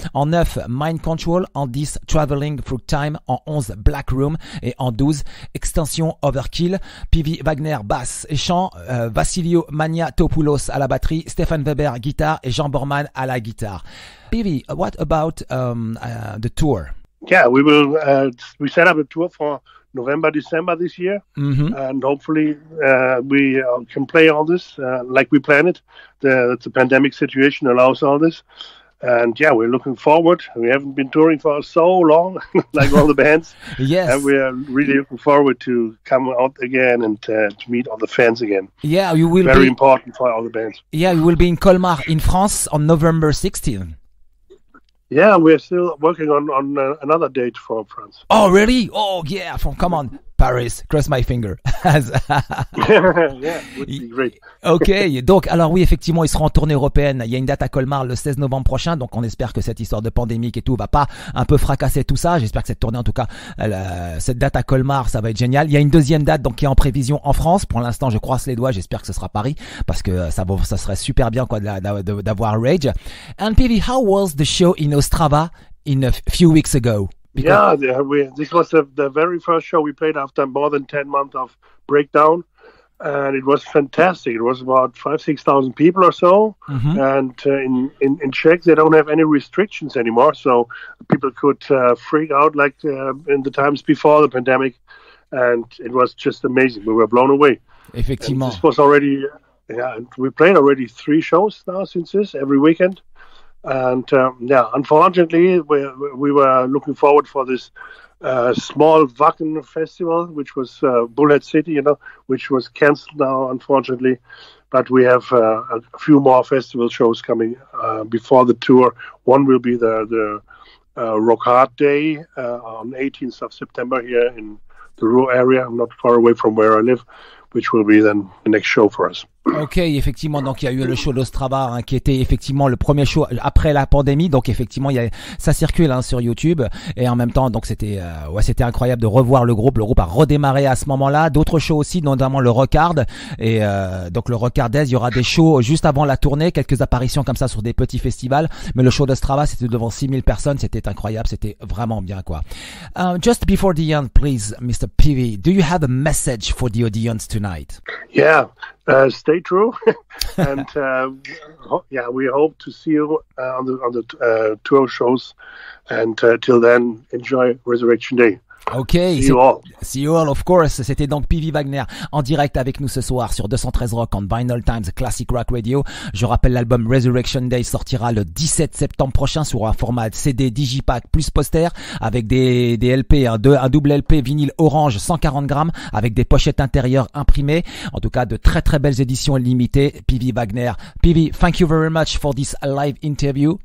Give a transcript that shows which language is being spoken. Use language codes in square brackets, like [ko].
[fr] En 9, Mind Control, en 10, Traveling Through Time, en 11, Black Room, et en 12, Extinction Overkil. Peavy Wagner, basse et chant, Vassilios Maniatopoulos à la batterie, Stefan Weber, guitare, et Jean Borman à la guitare. [en] Peavy, what about the tour? Yeah, we set up a tour for November, December this year, and hopefully we can play all this like we planned it. The pandemic situation allows all this, and yeah, we're looking forward. We haven't been touring for so long, like all the bands. Yes, and we are really looking forward to come out again and to meet all the fans again. Yeah, you will. Very important for all the bands. Yeah, you will be in Colmar in France on November 16th. Yeah, we're still working on another date for France. Oh, really? Oh, yeah. Come on, Paris. Cross my finger. Yeah, would be great. [fr] Ok, donc alors oui, effectivement, ils seront en tournée européenne. Il y a une date à Colmar le 16 novembre prochain, donc on espère que cette histoire de pandémie et tout va pas un peu fracasser tout ça. J'espère que cette tournée, en tout cas, cette date à Colmar, ça va être génial. Il y a une deuxième date donc qui est en prévision en France. Pour l'instant, je croise les doigts. J'espère que ce sera Paris parce que ça serait super bien quoi d'avoir Rage. [en] And Peavy, how was the show in Ostrava in a few weeks ago? This was the very first show we played after more than 10 months of breakdown. And it was fantastic. It was about 5,000-6,000 people or so. Mm-hmm. And in Czech, they don't have any restrictions anymore. So people could freak out like in the times before the pandemic. And it was just amazing. We were blown away. [fr] Effectivement. [en] And this was already, we played already 3 shows now since this, every weekend. And unfortunately, we were looking forward for this small Wacken festival, which was Bullhead City, which was cancelled now, unfortunately. But we have a few more festival shows coming before the tour. One will be the Rock Hard Day on 18th of September here in the Ruhr area, not far away from where I live, which will be then the next show for us. [fr] Ok, effectivement, donc il y a eu le show d'Ostrava hein, qui était effectivement le premier show après la pandémie, donc effectivement ça circule hein, sur YouTube, et en même temps donc c'était incroyable de revoir le groupe a redémarré à ce moment-là. D'autres shows aussi, notamment le Rockard, et donc le Rockardès, il y aura des shows juste avant la tournée, quelques apparitions comme ça sur des petits festivals, mais le show d'Ostrava c'était devant 6000 personnes, c'était incroyable, c'était vraiment bien quoi. [en] Just before the end, please, Mr. Peavy, do you have a message for the audience tonight? Yeah. Stay true, and we hope to see you on the tour shows, and till then, enjoy Resurrection Day. Ok, see you all, of course. [fr] C'était donc Peavy Wagner en direct avec nous ce soir sur 213 Rock on Vinyl Times Classic Rock Radio. Je rappelle, l'album Resurrection Day sortira le 17 septembre prochain sur un format CD Digipack plus poster avec des LP, un double LP vinyle orange 140 grammes avec des pochettes intérieures imprimées. En tout cas, de très très belles éditions limitées. Peavy Wagner. [en] Peavy, thank you very much for this live interview.